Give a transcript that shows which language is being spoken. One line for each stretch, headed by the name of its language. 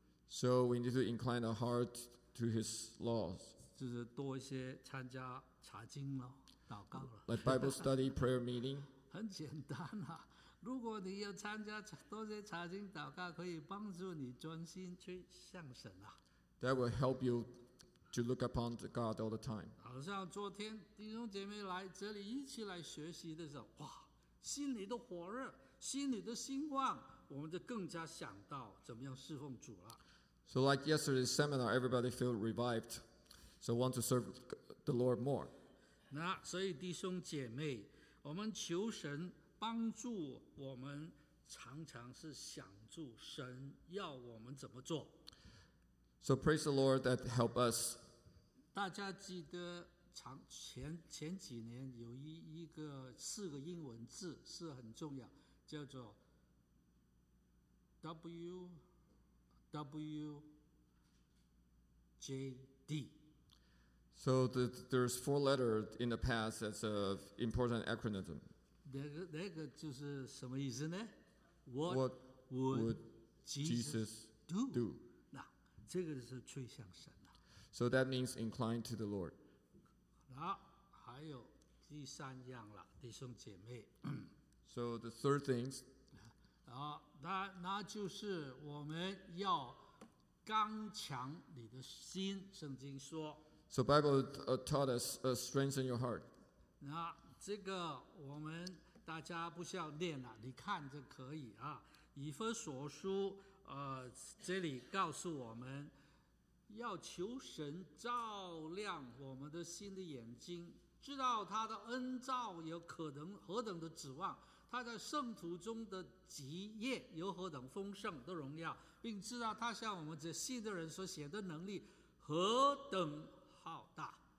English: So we need to incline our heart to His laws.
Chinese: 就是多一些参加查经了，祷告了。
English: Like Bible study, prayer meeting.
Chinese: 很简单啊。如果你要参加多些查经祷告，可以帮助你专心去向神啊。
English: That will help you to look upon God all the time.
Chinese: 好像昨天弟兄姐妹来这里一起来学习的时候，哇，心里的火热，心里的兴旺，我们就更加想到怎么样侍奉主了。
English: So like yesterday's seminar, everybody feel revived, so want to serve the Lord more.
Chinese: 那所以弟兄姐妹，我们求神帮助我们，常常是想住神要我们怎么做。
English: So praise the Lord that help us.
Chinese: 大家记得前几年有一个四个英文字是很重要，叫做 WWJD。
English: So there's four letters in the past as an important acronym.
Chinese: 那个就是什么意思呢？
English: What would Jesus do?
Chinese: 那这个是趋向神的。
English: So that means inclined to the Lord.
Chinese: 好，还有第三样了，弟兄姐妹。
English: So the third things.
Chinese: 那就是我们要刚强你的心，圣经说。
English: So Bible taught us strengthen your heart.
Chinese: 那这个我们大家不需要念了，你看就可以啊。以弗所书，这里告诉我们，要求神照亮我们的心的眼睛，知道他的恩召有可能何等的指望，他在圣徒中的基业有何等丰盛的荣耀，并知道他向我们这信的人所显的能力何等浩大，